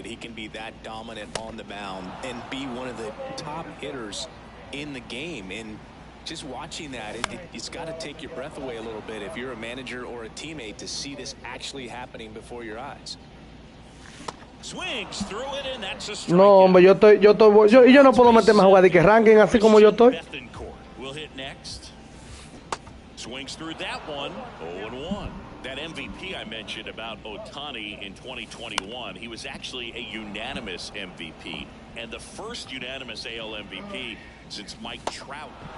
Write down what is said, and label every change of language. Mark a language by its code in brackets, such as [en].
[en] He can be that dominant on the mound and be one of the top hitters in the game, and just watching that, it's got to take your breath away a little bit if you're a manager or a teammate to see this actually happening before your eyes. Swings through it, and that's a strike. [es] No, hombre, yo no puedo meterme a jugar de que ranking así como yo estoy. [en] We'll hit next. Swings through that one, 0-1. That MVP I mentioned about Ohtani in 2021, he was actually a unanimous MVP and the first unanimous AL MVP since Mike Trout.